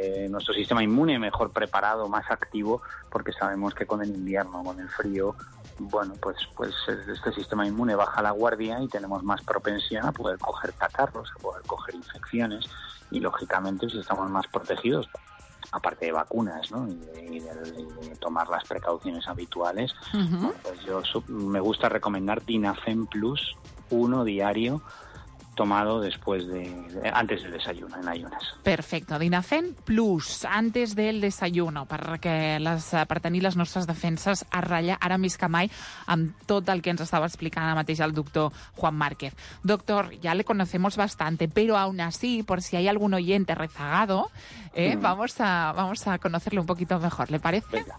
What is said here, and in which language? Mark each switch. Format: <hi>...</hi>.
<es>nuestro sistema inmune mejor preparado, más activo, porque sabemos que con el invierno, con el frío, bueno, pues este sistema inmune baja la guardia y tenemos más propensión a poder coger catarros, a poder coger infecciones, y lógicamente si estamos más protegidos, aparte de vacunas, ¿no?, y de tomar las precauciones habituales, pues yo me gusta recomendar Dinafen Plus, uno diario, tomado después de antes del desayuno, en ayunas. Perfecto,</es> <ca>Dinafen Plus,</ca> <es>antes del desayuno,</es> <ca>per tenir les nostres defenses a ratlla, ara més que mai, amb tot el que ens estava explicant ara mateix el doctor Juan Márquez.</ca> <es>Doctor, ya le conocemos bastante, pero aún así, por si hay algún oyente rezagado, vamos a conocerle un poquito mejor, ¿le parece?</es>